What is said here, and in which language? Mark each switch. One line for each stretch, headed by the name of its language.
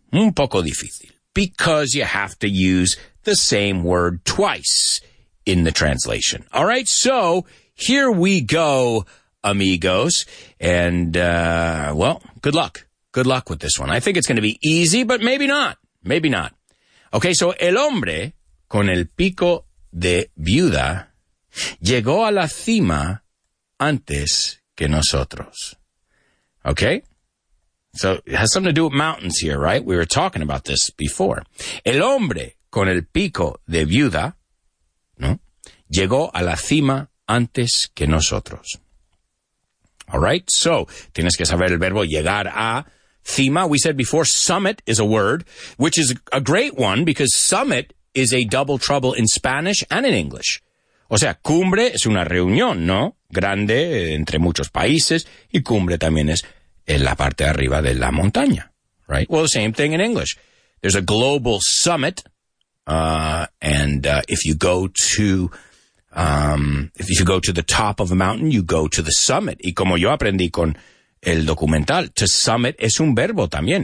Spanish: Un poco difícil.
English: Because you have to use the same word twice in the translation. All right, so here we go, amigos. And, well, good luck. Good luck with this one. I think it's going to be easy, but maybe not. Maybe not. Okay, so
Spanish: el hombre con el pico de viuda llegó a la cima antes que nosotros.
English: Okay? So it has something to do with mountains here, right? We were talking about this before.
Spanish: El hombre con el pico de viuda, ¿no? Llegó a la cima antes que nosotros.
English: All right?
Spanish: So, tienes que saber el verbo llegar a.
English: Cima, we said before, summit is a word, which is a great one because summit is a double trouble in Spanish and in English.
Spanish: O sea, cumbre es una reunión, ¿no? Grande entre muchos países y cumbre también es en la parte de arriba de la montaña, right?
English: Well, the same thing in English. There's a global summit, if you go to the top of a mountain, you go to the summit.
Spanish: Y como yo aprendí con el documental, to summit es un verbo también.